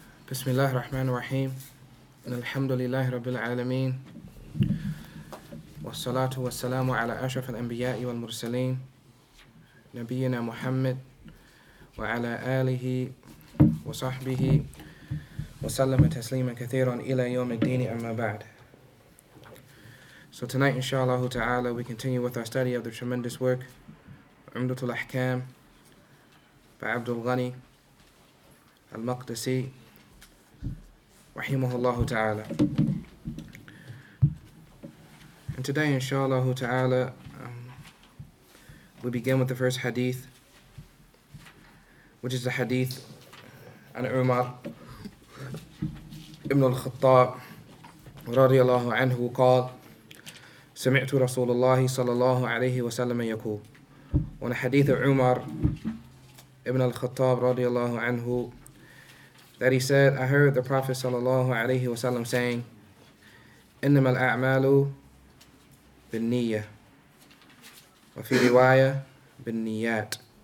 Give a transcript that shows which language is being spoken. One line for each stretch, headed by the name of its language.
Arabic: بسم الله الرحمن الرحيم الحمد لله رب العالمين والصلاة والسلام على أشرف الأنبياء والمرسلين نبينا محمد وعلى آله وصحبه وسلم تسليما كثيرا إلى يوم الدين أما بعد.
English: So tonight inshallah ta'ala we continue with our study of the tremendous work عمدة الأحكام by عبد الغني المقدسي رحمه الله تعالى. And today inshallah ta'ala we begin with the first hadith, which is the hadith
Arabic: عن عمر ابن الخطاب رضي الله عنه قال سمعت رسول الله صلى الله عليه وسلم يقول.
English: On the hadith of عمر ابن الخطاب
Arabic: رضي الله عنه,
English: that he said, I heard the Prophet sallallahu alayhi wa sallam saying,
Arabic: إِنَّمَا الْأَعْمَالُ بِالنِّيَّةِ وَفِي رِوَايَةِ بِالنِّيَّاتِ.